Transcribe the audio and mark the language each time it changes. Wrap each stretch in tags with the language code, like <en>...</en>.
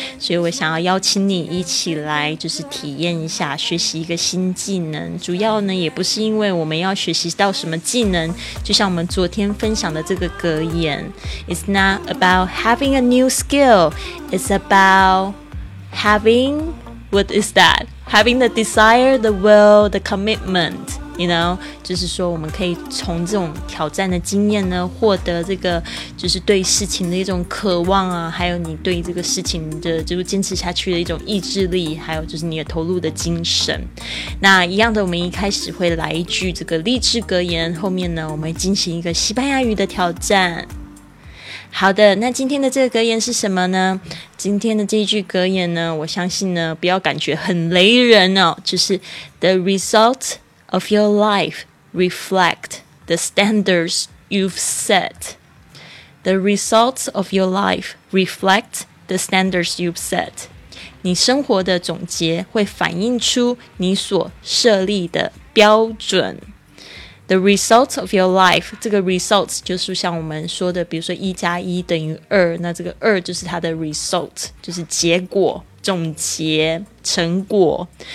<zh>所以我想要邀请你一起来，就是体验一下学习一个新技能。主要呢也不是因为我们要学习到什么技能，就像我们昨天分享的这个格言 It's not about having a new skill, it's about having, what is that?</zh> <en>Having the desire, the will, the commitment, you know?</en> <zh>就是说我们可以从这种挑战的经验呢，获得这个就是对事情的一种渴望啊，还有你对这个事情的就是坚持下去的一种意志力，还有就是你的投入的精神。那一样的，我们一开始会来一句这个励志格言，后面呢我们进行一个西班牙语的挑战。好的，那今天的这个格言是什么呢？今天的这一句格言呢，我相信呢不要感觉很雷人哦，就是 The result of your life reflect the standards you've set.</zh> <en>The results of your life reflect the standards you've set.</en> <zh>你生活的总结会反映出你所设立的标准。 The results of your life, 这个 results 就是像我们说的，比如说一加一等于二，那这个二就是它的 result, 就是结果、总结、成果。</zh>